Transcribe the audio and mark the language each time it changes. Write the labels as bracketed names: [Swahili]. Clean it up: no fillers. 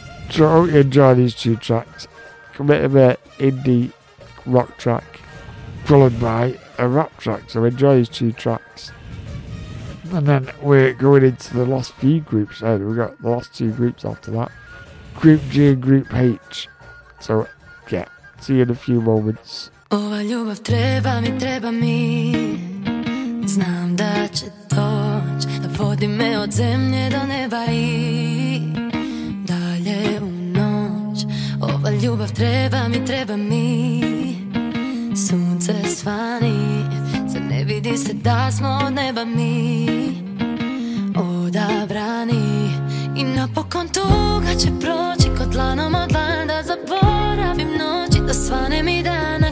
[English] So I hope you enjoy these two tracks. A bit of an indie rock track followed by a rap track. So enjoy these two tracks. And then we're going into the last few groups. And we've got the last two groups after that. Group G and Group H. So, yeah, see you in a few moments. [Serbian] Ова любов треба ми, треба ми. Знам да ће доћ, да води ме од земље до неба и даље у ноћ. Ова љубав треба ми, треба ми. Сунце свани, се не види се да смо од неба ми одабрани. И напокон туга ће проћи ко дланом од лан, да заборавим ноћи, да сване ми дан.